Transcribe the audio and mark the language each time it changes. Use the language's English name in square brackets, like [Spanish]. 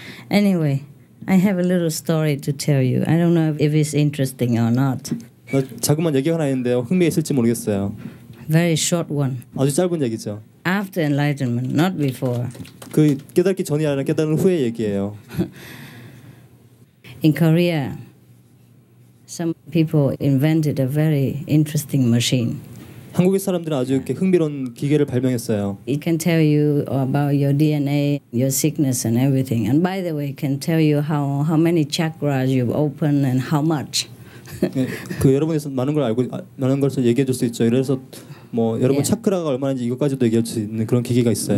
[English] Anyway, I have a little story to tell you. I don't know if it's interesting or not. [Korean] 자그만 얘기 하나 있는데요. 흥미있을지 모르겠어요. [English] Very short one. [Korean] 아주 짧은 얘기죠. [English] After enlightenment, not before. [Korean] 그 깨닫기 전이 아니라 깨달은 후의 얘기예요. [English] In Korea, some people invented a very interesting machine. [Korean] 한국의 사람들은 아주 이렇게 흥미로운 기계를 발명했어요. [English] It can tell you about your DNA, your sickness and everything. And by the way, it can tell you how many chakras you've opened and how much. [Korean] 그 여러분에서 많은 걸 알고 많은 걸서 얘기해 줄 수 있죠. 그래서 뭐 여러분 yeah. 차크라가 얼마인지 이것까지도 얘기할 수 있는 그런 기계가 있어요.